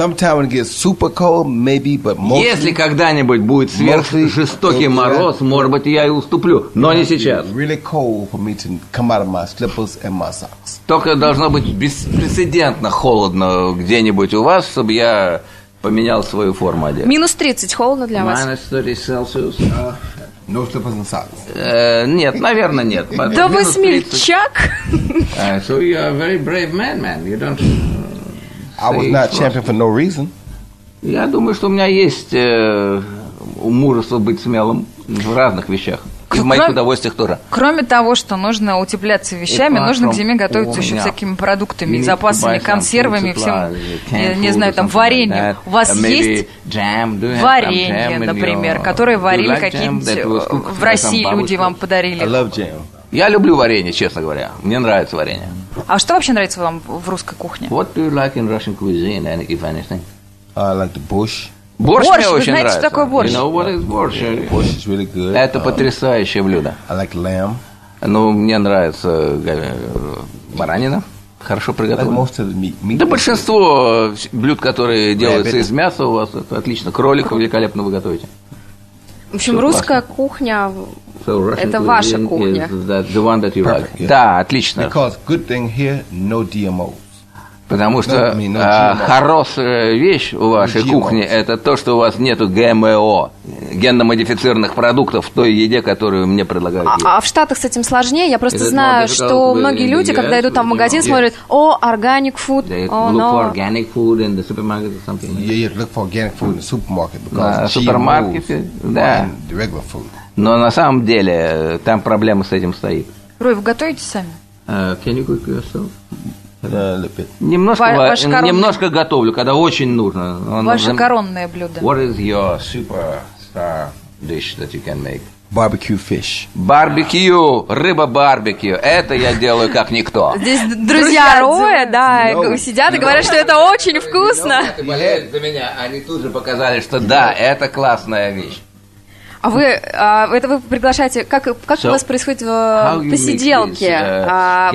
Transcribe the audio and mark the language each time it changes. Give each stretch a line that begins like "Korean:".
English: Sometimes it gets super cold, maybe, but mostly...
Russian: Если когда-нибудь будет сверхжестокий мороз, может быть, я и уступлю. Но не сейчас.
English: Really cold for me to come out of my slippers and my socks.
Russian: Только должно быть беспрецедентно холодно где-нибудь у вас, чтобы я... поменял свою форму одежды. Минус 30, холодно для вас? Минус 30 Celsius.
English: No slippers and socks.
Russian: Нет, наверное, нет. Да вы смельчак.
English: So you are a very brave man, man. You don't I was not champion for no reason.
Russian: Я думаю, что у меня есть мужество быть смелым в разных вещах. И в моих удовольствиях тоже. Кроме того, что нужно утеплять вещами, нужно к зиме готовиться еще всякими продуктами, запасами, консервами, всем, не знаю, там, вареньем. У вас есть варенье, например, которое варили какие-нибудь в России, люди вам подарили. Я люблю варенье, честно говоря. Мне нравится варенье. А что вообще нравится вам в русской кухне?
English: What do you like in Russian cuisine, if anything? I like the borscht.
Russian: Борщ, борщ, мне вы очень знаете, нравится. Что такое борщ?
English: You know what is borscht? Yeah, borscht is really good.
Russian: Это потрясающее блюдо.
English: I like lamb.
Russian: Ну, мне нравится баранина. Хорошо приготовлено.
English: Like most of the meat.
Russian: Да большинство блюд, которые делаются из мяса у вас, это отлично. Кролик великолепно вы готовите. В общем, русская кухня, это ваша кухня.
English: The one that you like.
Russian: Да, отлично.
English: Because good thing here, no GMOs.
Russian: Потому что хорошая вещь у вашей кухни – это то, что у вас нету ГМО, генно-модифицированных продуктов в той еде, которую мне предлагают есть. А в Штатах с этим сложнее? Я просто знаю, что многие люди, когда идут там в магазин, смотрят, о,
English: organic food,
Russian: о, no.
English: Look for organic food in the supermarket or something. Yeah, yeah, look for organic food in the supermarket, because GMO and regular food.
Russian: Но на самом деле там проблема с этим стоит. Рой, вы готовите сами?
English: Can you cook yourself?
Russian: Немножко готовлю, когда очень нужно. Ваше коронное блюдо.
English: What is your superstar dish that you can make? Barbecue fish.
Russian: Барбекю, рыба барбекю. Это я делаю как никто. Здесь друзья Роя, да, сидят и говорят, что это очень вкусно. Болеют за меня, они тут же показали, что да, это классная вещь. А вы, это вы приглашаете, как so, у вас происходит посиделки?